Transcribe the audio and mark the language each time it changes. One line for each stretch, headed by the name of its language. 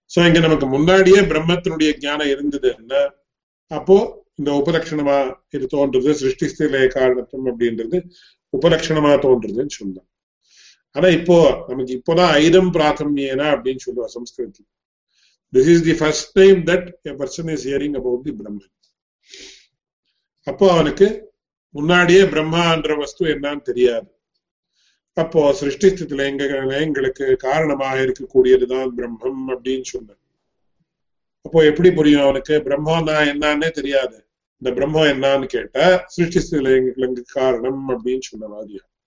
Tamil: So இங்க நமக்கு முன்னாடியே பிரம்மத்தினுடைய ஞானம் இருந்தது என்ன, அப்போ இந்த உபலட்சணமா இது தோன்றது சிருஷ்டி ஸ்திரிலய காரணத்துவம் அப்படின்றது உபலட்சணமா தோன்றதுன்னு சொன்னான். ஆனா இப்போ நமக்கு இப்போதான் ஐதம் பிராத்தம்யேனா அப்படின்னு சொல்லுவா சம்ஸ்கிருதத்தில்.
English: This is the first time that a person is hearing about the Brahma.
Tamil: அப்போ அவனுக்கு முன்னாடியே பிரம்மான்ற வஸ்து என்னன்னு தெரியாது. அப்போ சிருஷ்டி ஸ்தித்தில எங்களுக்கு காரணமாக இருக்கக்கூடியதுதான் பிரம்மம் அப்படின்னு சொன்ன. அப்போ எப்படி புரியும் அவனுக்கு பிரம்மா தான் என்னன்னே தெரியாது, இந்த பிரம்மம் என்னன்னு கேட்டா சிருஷ்டி ஸ்தித்தில எங்களுக்கு காரணம் அப்படின்னு சொன்ன மாதிரியா.